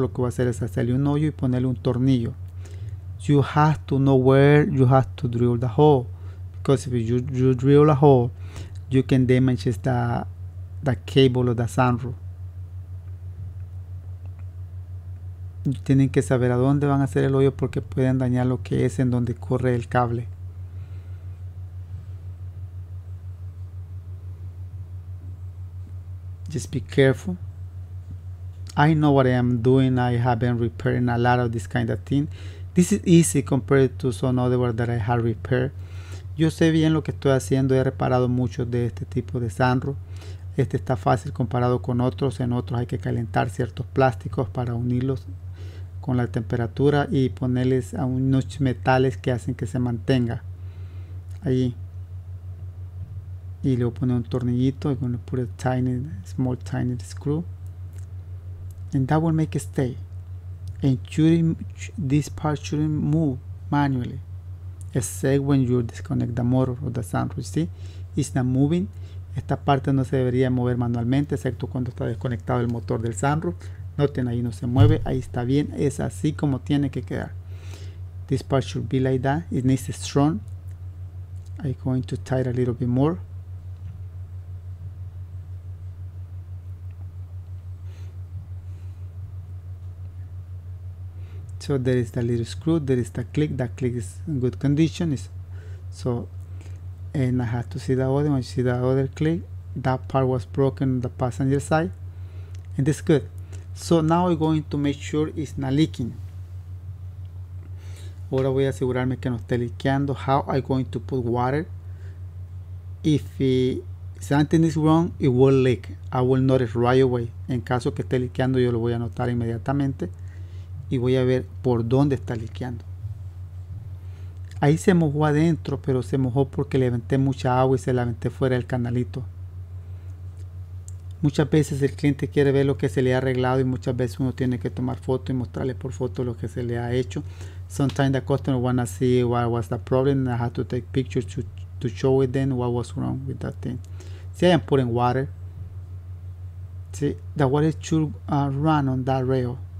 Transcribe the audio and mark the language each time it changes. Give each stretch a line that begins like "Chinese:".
Spanish: Lo que voy a hacer es hacerle un hoyo y ponerle un tornillo.
English: You have to know where you have to drill the hole, because if you drill a hole, you can damage the cable of the sunroof.
Spanish: Tienen que saber a dónde van a hacer el hoyo porque pueden dañar lo que es en donde corre el cable.
English: Just be careful. I know what I am doing. I have been repairing a lot of this kind of thing. This is easy compared to some other ones that I have repaired.
Spanish: Yo sé bien lo que estoy haciendo. He reparado muchos de este tipo de sunroof. Este está fácil comparado con otros. En otros hay que calentar ciertos plásticos para unirlos con la temperatura y ponerles a unos metales que hacen que se mantenga ahí. Y luego pone un tornillito.
English: I'm going to put a tiny, small, tiny screw. And that will make it stay. And this part shouldn't move manually, except when you disconnect the motor or the sunroof. See, it's not moving.
Spanish: Esta parte no se debería mover manualmente, excepto cuando está desconectado el motor del sunroof. Noten, ahí no se mueve. Ahí está bien. Es así como tiene que quedar.
English: This part should be like that. It needs a strong. I'm going to tighten a little bit more. So there is the little screw, there is the click. That click is in good condition. So, and I have to see the other one. You see the other click. That part was broken on the passenger side. And it's good. So now I'm going to make sure it's not leaking.
Spanish: Ahora voy a asegurarme que no esté liqueando.
English: How I'm going to put water. If something is wrong, it will leak. I will notice right away.
Spanish: En caso que esté liqueando, yo lo voy a notar inmediatamente. Y voy a ver por dónde está liqueando. Ahí se mojó adentro, pero se mojó porque le aventé mucha agua y se la aventé fuera del canalito. Muchas veces el cliente quiere ver lo que se le ha arreglado y muchas veces uno tiene que tomar foto y mostrarle por foto lo que se le ha hecho.
English: Sometimes the customer wanna see what was the problem and I have to take pictures to show with them what was wrong with that thing. See, I am putting water. See, the water should run on that rail.